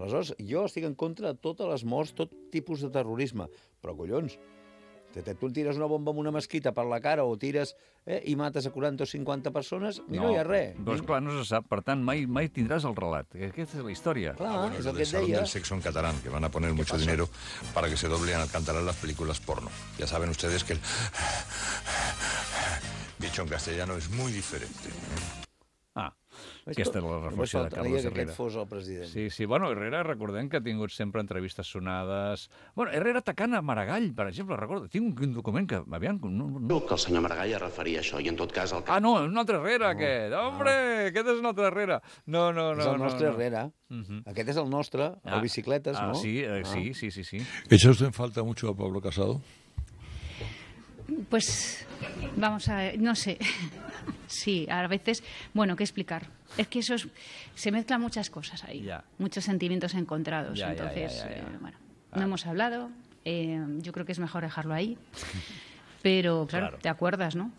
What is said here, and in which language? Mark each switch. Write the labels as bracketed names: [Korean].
[Catalan] Aleshores, jo estic en contra de totes les morts, tot tipus de terrorisme. Però, collons, tu tires una bomba en una mesquita per la cara o tires i mates a 40 o 50 persones, no hi ha res. Doncs clar, no se sap. Per tant, mai tindràs el relat. Aquesta és la història. Clar, ah, bueno, és el que et deia. [Spanish] Del sexo en catalán, que van a poner mucho dinero para que se doble en el catalán las películas porno. Ya saben ustedes que el... dicho en castellano es muy diferente. [Catalan] Aquesta és la reflexió de Carles Herrera. Aquest fos el president. Sí, sí. Bueno, Herrera, recordem que ha tingut sempre entrevistes sonades. Bueno, Herrera atacant a Maragall, per exemple, recordo. Tinc un document que... Aviam, no. Que el senyor Maragall es referia a això, i en tot cas... El... Ah, no, un altre Herrera, aquest. Hombre, aquest és un altre Herrera. No. És el nostre Herrera. Uh-huh. Aquest és el nostre, el Bicicletes, no? Sí. Això us en falta [Spanish] mucho [Catalan] a Pablo Casado? [Spanish] Pues, vamos a ver, no sé. Sí, a veces, bueno, ¿qué explicar? Es que eso es, se mezclan muchas cosas ahí, ya. Muchos sentimientos encontrados, ya, entonces, no hemos hablado, yo creo que es mejor dejarlo ahí, pero claro, te acuerdas, ¿no?